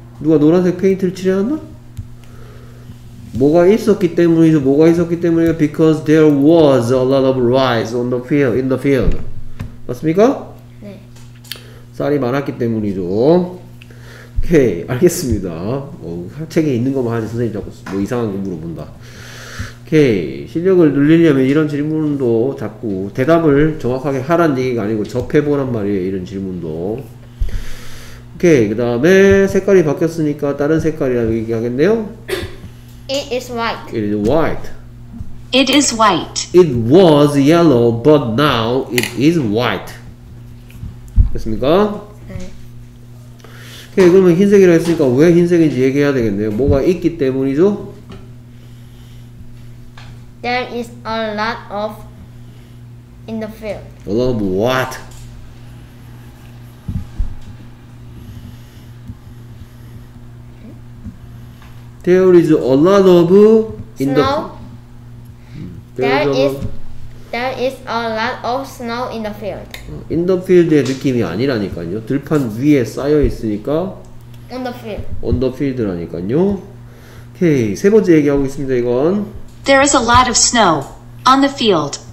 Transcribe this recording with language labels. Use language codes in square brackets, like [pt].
[ko] 누가 노란색 페인트를 칠해놨나? 뭐가 있었기 때문이죠. 뭐가 있었기 때문이에요. [en] Because there was a lot of rice on the field, in the field. [ko] 맞습니까? 네. 쌀이 많았기 때문이죠. 오케이, 알겠습니다. 뭐, 책에 있는 것만 하지 선생님 자꾸 뭐 이상한 거 물어본다. 오케이, 실력을 늘리려면 이런 질문도 자꾸 대답을 정확하게 하란 얘기가 아니고 접해보란 말이에요. 이런 질문도. 오케이, 그 다음에 색깔이 바뀌었으니까 다른 색깔이라고 얘기하겠네요. [en] It is white. It is white. It is white. It was yellow, but now it is white. [ko] 됐습니까? 네. 오케이, 그러면 흰색이라고 했으니까 왜 흰색인지 얘기해야 되겠네요. 뭐가 있기 때문이죠? [en] There is a lot of in the field. A lot of what? There is a lot of snow. In the there is a lot of snow in the field. In the field [ko] 의 느낌이 아니라니까요. 들판 위에 쌓여 있으니까. [en] On the field. On the field [ko] 라니까요. 오케이, 세 번째 얘기하고 있습니다. 이건. [en] There is a lot of snow on the field.